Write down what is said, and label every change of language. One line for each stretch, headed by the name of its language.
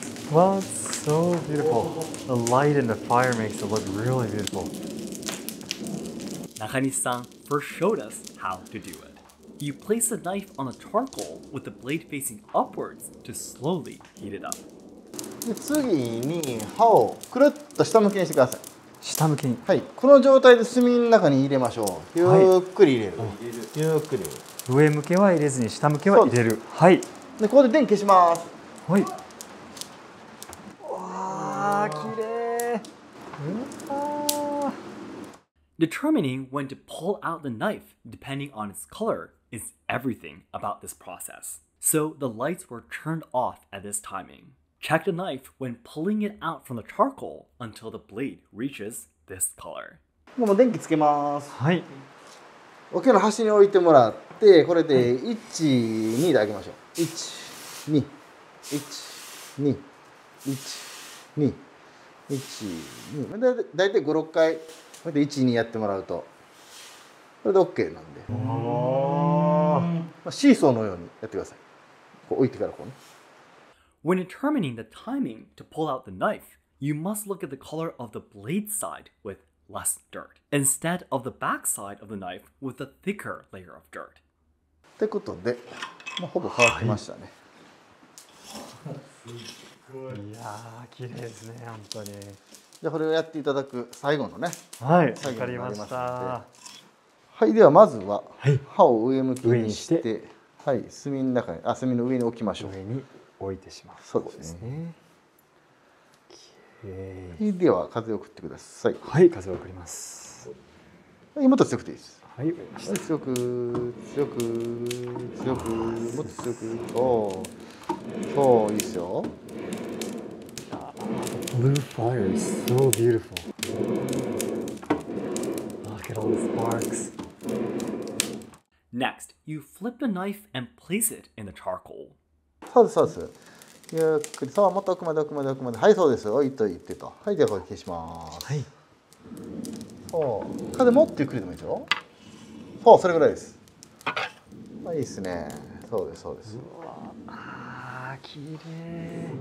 English: Wow, it's so beautiful. The light and the fire makes it look really beautiful. Nakanishi-san first showed us how to do it. You place the knife on the charcoal with the blade facing upwards to slowly heat it up.
Japanese: 次に刃をくるっと下向きにしてください。下向きに、はい、この状態で炭の中に入れましょう。ゆっくり入れる、はい、ゆっくり上向けは入れずに下向けは入れる、はい、でここで電気消します。はい、わあ、綺麗。
English: Determining when to pull out the knife depending on its color is everything about this process. So the lights were turned off at this timingCheck the knife when pulling it out from the charcoal until the blade reaches this color.
Japanese: もう電気つけます。はい。桶の端に置いてもらって、これで1、はい、2で上げましょう。 1、2、1、2、1、2、1、2。だいたい5、6回、これで1、2やってもらうと、これで OK なんで。シーソーのようにやってください。こう置いてからこうね。
English: When determining the timing to pull out the knife, you must look at the color of the blade side with less dirt, instead of the back side of the knife with a thicker layer of dirt.
Japanese: ってことで、まあ、ほぼ乾きましたね。はい、いやー、綺麗ですね、本当に。じゃあこれをやっていただく最後のね。はい、わかりました。はい、ではまずは刃を上向きにして、はい、炭の中に、あ、炭の上に置きましょう。上に置いてしまう。そうですね。
English: Okay.
Japanese: では風を送ってください。はい、風を送ります。今と強くていいです。ははい、強く強く強く、もっと強く、おお、そう、いいっすよ。
English: Blue fire is so beautiful. Look at all the sparks. Next, you flip the knife and place it in the charcoal.
Japanese: そうです、そうです。ゆっくり、そう、もっと奥まで奥まで奥まで。はい、そうです。おいっと、言ってと。はい、じゃあこれ消します。はい。そう、風もってゆっくりでもいいですよ。そう、それぐらいです。まあ、いいですね。そうです、そうです。うわあ、綺麗。